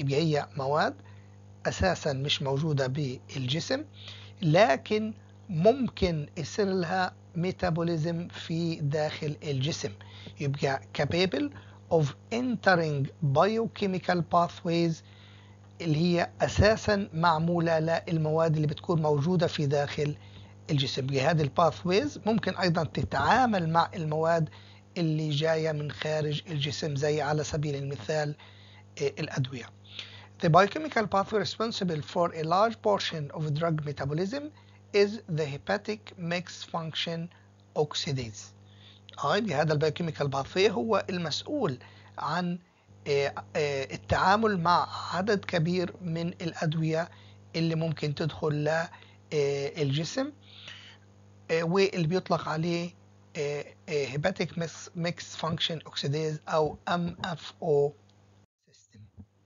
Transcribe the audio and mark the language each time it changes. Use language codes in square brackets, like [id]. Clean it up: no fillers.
[ar] يبقى هي مواد اساسا مش موجوده بالجسم لكن ممكن يصير لها ميتابوليزم في داخل الجسم، يبقى [en] capable of entering biochemical pathways [ar] اللي هي أساسا معمولة للمواد اللي بتكون موجودة في داخل الجسم. يبقى هذه الباثويز ممكن أيضا تتعامل مع المواد اللي جاية من خارج الجسم، زي على سبيل المثال الأدوية. [en] The biochemical pathway responsible for a large portion of drug metabolism is the hepatic mix function oxidase. [ar] يبقى هذا البيوكيميكال باثوي هو المسؤول عن التعامل مع عدد كبير من الأدوية اللي ممكن تدخل للجسم، واللي بيطلق عليه hepatic mix function oxidase او MFO system.